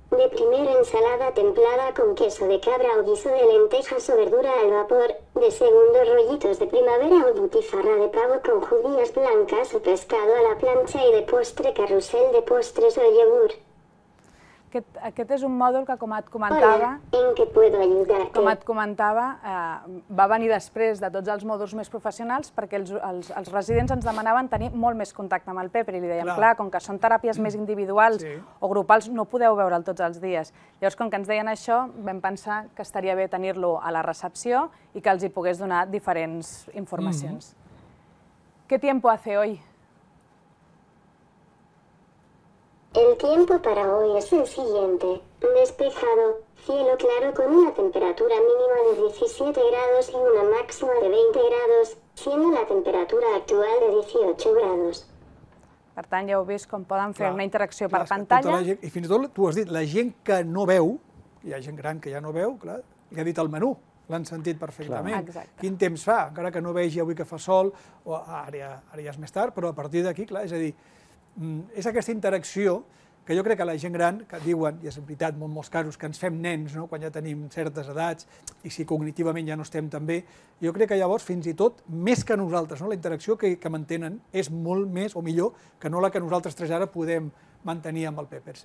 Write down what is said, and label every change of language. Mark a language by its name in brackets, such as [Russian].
[Spanish] De primer, ensalada templada con queso de cabra o guiso de lentejas o verdura al vapor. De segundo, rollitos de primavera o butifarra de pavo con judías blancas o pescado a la plancha y de postre carrusel de postres o yogur. [Catalan] Aquest és un mòdul que, com et comentava... [Spanish] Hola, ¿en qué puedo ayudarte? [Catalan] Com et comentava, va venir després de tots els mòduls més professionals perquè els residents ens demanaven tenir molt més contacte amb el Pepper i li dèiem, clar, com que són teràpies més individuals, sí, o grupals, no podeu veure'l tots els dies. Llavors, com que ens deien això, vam pensar que estaria bé tenir-lo a la recepció i que els hi pogués donar diferents informacions. [Spanish] ¿Qué tiempo hace hoy? El tiempo para hoy es el siguiente. Despejado, cielo claro con una temperatura mínima de 17 grados y una máxima de 20 grados, siendo la temperatura actual de 18 grados. [Catalan] Per tant, ja heu vist com poden fer una interacció per pantalla. Gent, i fins i tot, tu has dit, la gent que no veu, hi ha gent gran que ja no veu, clar, li ha dit el menú, l'han sentit perfectament. Clar, quin temps fa, encara que no vegi avui que fa sol, o ara ja és més tard, però a partir d'aquí, clar, és a dir, és aquesta interacció que jo crec que la gent gran, que diuen, i és veritat, en molts casos, que ens fem nens, no?, quan ja tenim certes edats, i si cognitivament ja no estem tan bé, jo crec que llavors, fins i tot, més que nosaltres, no?, la interacció que mantenen és molt més o millor que no la que nosaltres tres ara podem mantenir amb el Pepper.